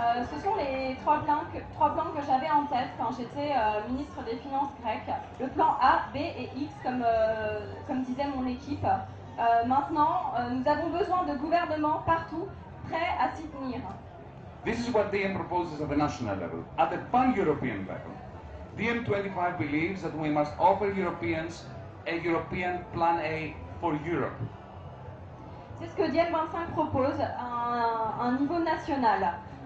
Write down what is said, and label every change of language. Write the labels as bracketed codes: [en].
[fr] Ce sont les trois plans que j'avais en tête quand j'étais ministre des Finances grecques. Le plan A, B et X, comme disait mon équipe. Maintenant, nous avons besoin de gouvernements partout prêts à s'y tenir. [en] This is what DiEM proposes at the national level. At the pan-European level, DiEM25 believes that we must offer Europeans a European plan A for Europe. [fr] C'est ce que DiEM25 propose à un niveau national.